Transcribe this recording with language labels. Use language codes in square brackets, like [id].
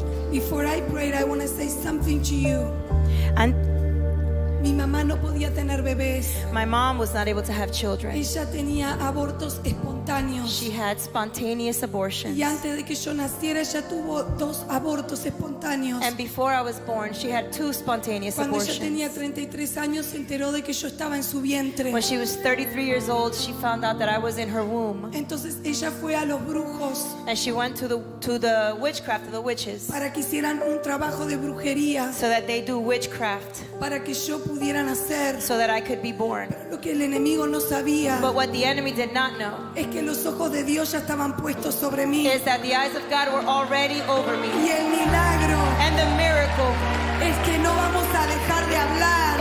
[en] Before I pray, I want to say something to you. And [es] mi mamá no podía tener bebés. [en] My mom was not able to have children. [es] Ella tenía abortos espontáneos. [en] She had spontaneous abortions. [es] Y antes de que yo naciera, ella tuvo dos abortos espontáneos. [en] And before I was born, she had two spontaneous [es] Cuando [en] abortions. [es] Cuando ella tenía 33 años, se enteró de que yo estaba en su vientre. [en] When she was 33 years old, she found out that I was in her womb. [es] Entonces ella fue a los brujos. [en] And she went to the witchcraft of the witches. [es] Para que hicieran un trabajo de brujería. [en] So that they do witchcraft. [es] Para que yo pudieran hacer, [en] so that I could be born. [es] Lo que el enemigo no sabía, [en] but what the enemy did not know, [es] es que los ojos de Dios ya estaban puestos sobre mí, [en] is that the eyes of God were already over me. [es] Y el milagro, [en] and the miracle, [es] es que no vamos a dejar de hablar,